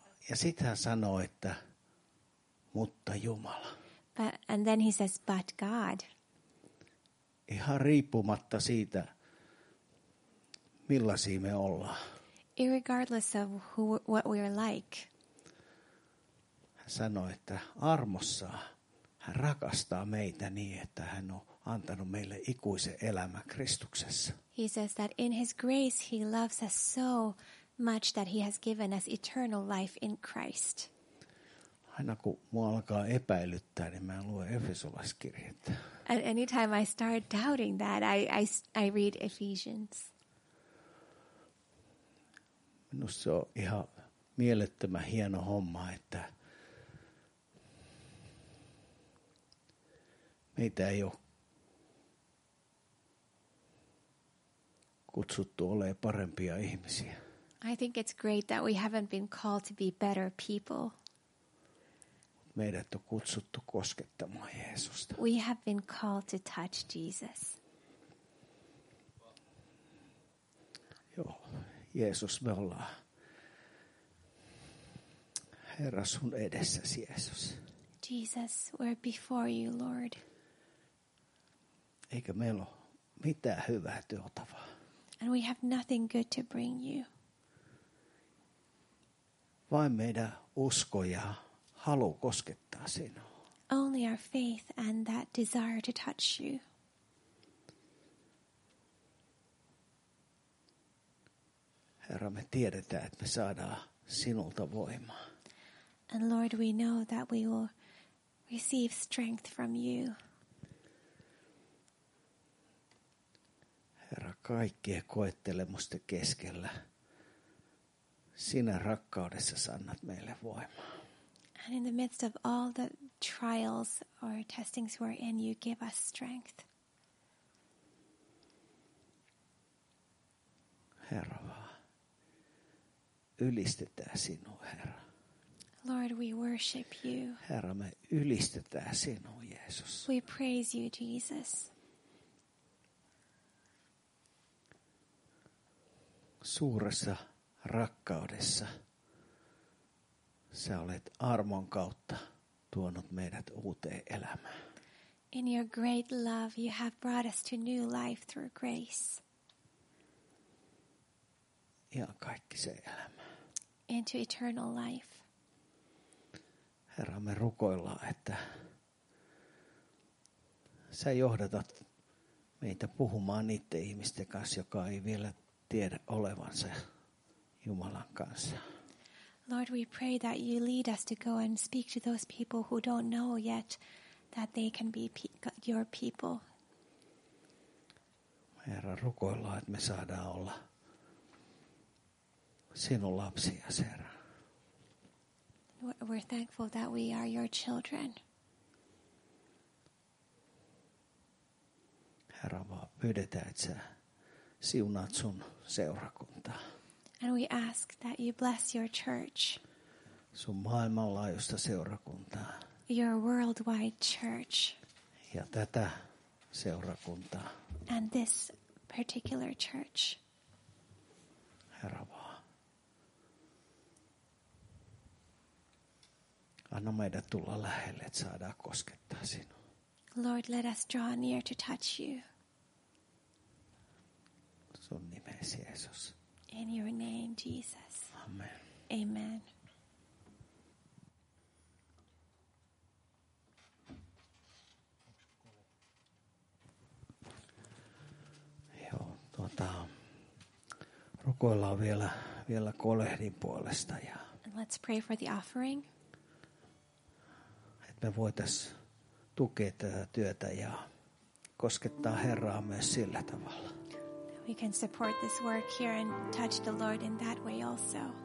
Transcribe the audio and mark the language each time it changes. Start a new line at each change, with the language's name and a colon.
Finnish: Ja sit hän sanoo, että mutta Jumala.
English: And then he says, but God.
Finnish: Ihan riippumatta siitä, millaisia me ollaan.
English: Irregardless of what we are like.
Finnish: Hän sanoo, että armossa hän rakastaa meitä niin, että hän on antanut meille ikuisen elämän Kristuksessa.
English: He says that in his grace he loves us so much that he has given us eternal life in Christ.
Finnish: Aina kun mua alkaa epäilyttää, niin mä luen Efesolaiskirjettä.
English: At any time I start doubting that, I read Ephesians.
Finnish: Minusta se on ihan mielettömän hieno homma, että meitä ei ole kutsuttu olemaan parempia ihmisiä.
English: I think it's great that we haven't been called to be better people.
Finnish: Meidät on kutsuttu koskettamaan Jeesusta.
English: We have been called to touch Jesus.
Finnish: Joo, Jeesus, me ollaan Herra sun edessäsi, Jeesus.
English: Jesus, we're before you, Lord.
Finnish: Eikä meillä ole mitään hyvää tuotavaa.
English: And we have nothing good to bring you.
Finnish: Vain meidän usko ja halu koskettaa sinua.
English: Only our faith and that desire to touch you.
Finnish: Herra, me tiedetään, että me saadaan sinulta voimaa.
English: And Lord, we know that we will receive strength from you.
Finnish: Herra, kaikkea koettelemusta keskellä. Sinä rakkaudessa annat meille voimaa.
English: And in the midst of all the trials or testings we're in, you give us strength.
Finnish: Herra vaan, ylistetään sinua, Herra.
English: Lord, we worship you.
Finnish: Herra, me ylistetään sinua, Jeesus.
English: We praise you, Jesus.
Finnish: Suuressa rakkaudessa sä olet armon kautta tuonut meidät uuteen elämään.
English: In your great love you have brought us to new life through grace.
Finnish: Ihan kaikki se elämä.
English: Into eternal life.
Finnish: Herra, me rukoillaan, että sä johdatat meitä puhumaan niiden ihmisten kanssa, joka ei vielä tiedä olevansa Jumalan kanssa.
English: Lord, we pray that you lead us to go and speak to those people who don't know yet that they can be your people.
Finnish: Herra, rukoillaan, että me saadaan olla sinun lapsia, Herra.
English: We're thankful that we are your children.
Finnish: Herra, vaan pyydetään, että sä siunaat sun seurakuntaa.
English: And we ask that you bless your church.
Finnish: Sun maailmanlaajuista seurakuntaa.
English: Your worldwide church.
Finnish: Ja tätä seurakuntaa.
English: And this particular church.
Finnish: Herra vaan. Anna meidät tulla lähelle, että saadaan koskettaa sinua.
English: Lord, let us draw near to touch you.
Finnish: Sun nimesi, Jeesus.
English: In your name, Jesus. Amen. Amen.
Finnish: Joo, rukoillaan vielä kolehdin puolesta ja.
English: And let's pray for the offering.
Finnish: Että me voitaisiin tukea tätä työtä ja koskettaa Herraa myös sillä tavalla.
English: We can support this work here and touch the Lord in that way also.